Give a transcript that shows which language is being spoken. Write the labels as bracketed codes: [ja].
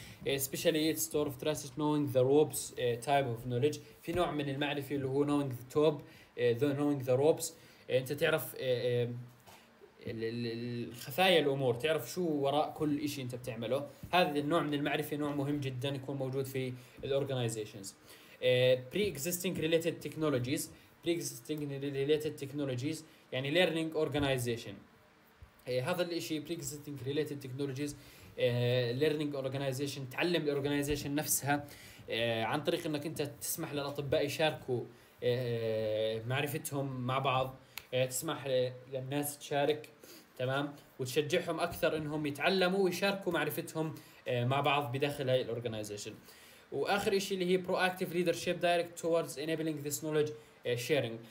[en] Especially it's store of trust knowing the ropes type of knowledge، [ar] في نوع من المعرفة اللي هو [en] knowing the top knowing the ropes، [ar] انت تعرف الخفايا الأمور، تعرف شو وراء كل إشي أنت بتعمله. هذا النوع من المعرفة نوع مهم جدا يكون موجود في الأورجانيزيشنز. [en] Pre-existing related technologies. Pre-existing related technologies يعني learning organization. [ar] هذا الإشي [en] pre-existing related technologies learning organization، [ar] تعلم الأورجانيزيشن نفسها عن طريق أنك أنت تسمح للأطباء يشاركوا معرفتهم مع بعض، تسمح للناس تشارك تمام، وتشجعهم أكثر أنهم يتعلموا ويشاركوا معرفتهم مع بعض بداخل هاي الأورجانيزيشن. وآخر إشي اللي هي [en] proactive leadership direct towards enabling this knowledge sharing.